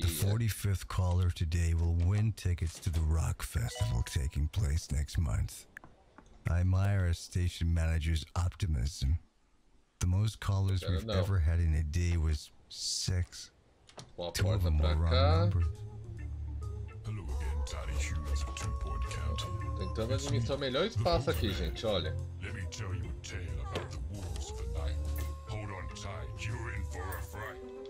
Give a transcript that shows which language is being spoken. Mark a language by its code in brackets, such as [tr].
[en] The 45th caller today will win tickets to the Rock Festival taking place next month. I admire a station manager's optimism. The most callers we've ever had in a day was 6. Two of them were wrong numbers. Hello again, tiny humans of Two Point County. [pt] Tentando administrar o melhor espaço aqui, gente, olha. [en] Let me tell you a tale about the wolves of the night. Hold on tight, you're in for a fright.